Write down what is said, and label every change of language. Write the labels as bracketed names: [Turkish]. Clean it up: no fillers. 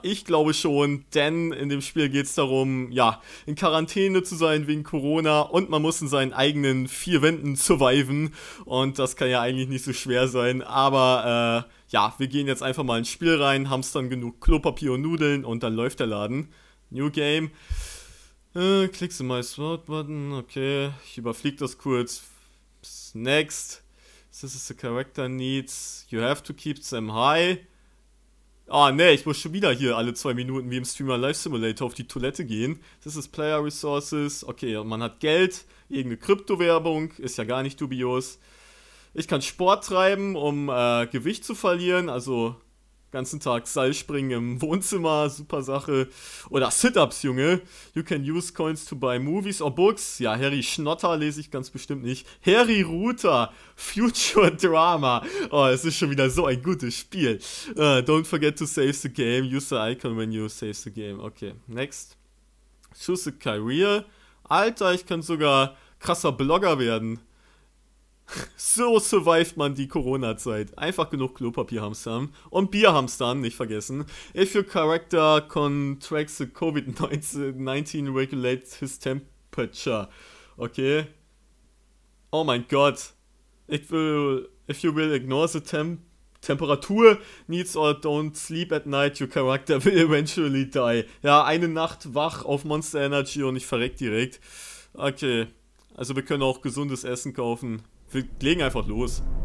[German] Ich glaube schon, denn in dem Spiel geht es darum, ja, in Quarantäne zu sein wegen Corona und man muss in seinen eigenen vier Wänden surviven und das kann ja eigentlich nicht so schwer sein, aber ja, wir gehen jetzt einfach mal ins Spiel rein, hamstern genug Klopapier und Nudeln und dann läuft der Laden. New Game. [English] Click the My Sword Button. [German] Okay, ich überfliege das kurz. [English] Next. This is the character needs. You have to keep them high. [German] Ah, ne, ich muss schon wieder hier alle 2 Minuten wie im Streamer Life Simulator auf die Toilette gehen. [English] This is Player Resources. [German] Okay, und man hat Geld. Irgendeine Kryptowährung. Ist ja gar nicht dubios. Ich kann Sport treiben, um Gewicht zu verlieren. Also ganzen Tag Seilspringen im Wohnzimmer, super Sache. Oder Sit-Ups, Junge. [English] You can use coins to buy movies or books. [German] Ja, Harry Schnotter lese ich ganz bestimmt nicht. Harry Router, Future Drama. Oh, es ist schon wieder so ein gutes Spiel. [English] Don't forget to save the game. Use the icon when you save the game. Okay, next. Choose a career. [German] Alter, ich kann sogar krasser Blogger werden. So survived man die Corona-Zeit. Einfach genug Klopapier hamstern und Bier hamstern, nicht vergessen. [English] If your character contracts the COVID-19, regulates his temperature. Okay. [German] Oh mein Gott. [English] If you will ignore the Temperatur needs or don't sleep at night, your character will eventually die. [German] Ja, eine Nacht wach auf Monster Energy und ich verreck direkt. Okay. Also wir können auch gesundes Essen kaufen. Wir legen einfach los.